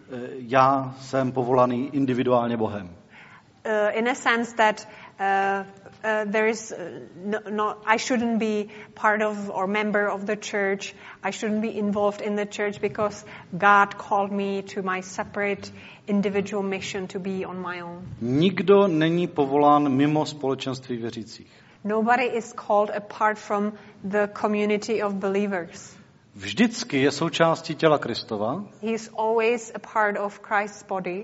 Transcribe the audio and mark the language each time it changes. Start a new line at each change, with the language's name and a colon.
Czech: Já jsem povolaný individuálně Bohem.
English: In a sense that there is I shouldn't be part of or member of the church. I shouldn't be involved in the church because God called me to my separate individual mission to be on my own.
Czech: Nikdo není povolán mimo společenství věřících.
English: Nobody is called apart from the community of believers.
Czech: Vždycky je součástí těla Kristova.
English: He is always a part of Christ's body.